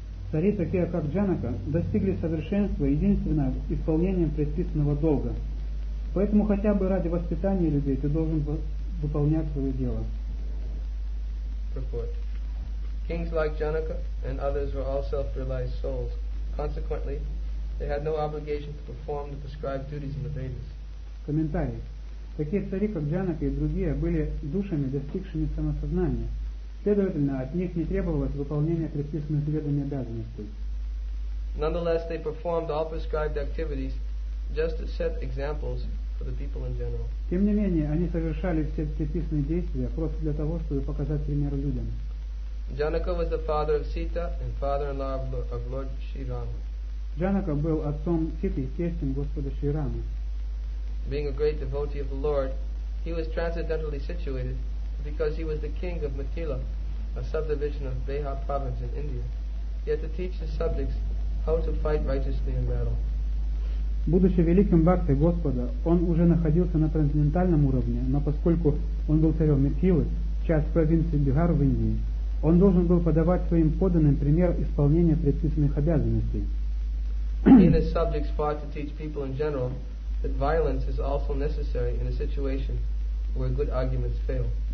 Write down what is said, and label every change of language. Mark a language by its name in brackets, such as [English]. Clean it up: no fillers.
[Russian] Цари, такие как Джанака, достигли совершенства единственно исполнением предписанного долга. Поэтому хотя бы ради воспитания людей ты должен выполнять свое дело. [English] Purport. Kings like Janaka and others were all self-realized souls. Consequently, they had no obligation to perform the prescribed duties in the Vedas. [Russian] Комментарий. Такие цари, как Джанака и другие, были душами, достигшими самосознания. Следовательно, от них не требовалось выполнения предписанных ведами обязанностей. [English] Nonetheless, they performed all prescribed activities just to set examples for the people in general. [Russian] Тем не менее, они совершали все предписанные действия просто для того, чтобы показать пример людям. [English] Janaka was the father of Sita and father-in-law of Lord Shri Rama. [Russian] Janaka был отцом Ситы, тестем Господа Шри Рамы. [English] Being a great devotee of the Lord, he was transcendentally situated because he was the king of Mithila, a subdivision of Bihar province in India. He had to teach his subjects how to fight righteously in battle. [Russian] Будучи великим бхактой Господа, он уже находился на трансцендентальном уровне, но поскольку он был царем Митхилы, часть провинции Бихар в Индии, он должен был подавать своим подданным пример исполнения предписанных обязанностей. [English] He and his subjects fought to teach people in general that violence is also necessary in a situation where good arguments fail.